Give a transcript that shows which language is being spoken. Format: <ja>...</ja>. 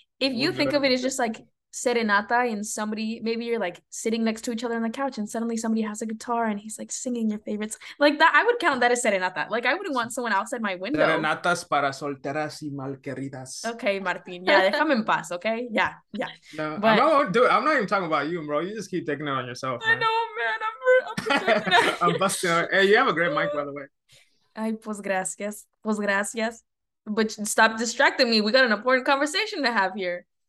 <en>If you think of it as just like serenata and somebody, maybe you're like sitting next to each other on the couch and suddenly somebody has a guitar and he's like singing your favorites like that, I would count that as serenata. Like I wouldn't want someone outside my window.</en> <es>Serenatas para solteras y malqueridas.</es> <en>Okay, Martin, yeah, déjame en paz. Okay, yeah, yeah, yeah, but I'm not even talking about you, bro. You just keep taking it on yourself, man. I know, man. I'm busting out. Hey, you have a great mic, by the way. Ay, pues gracias, but stop distracting me, we got an important conversation to have here.</en>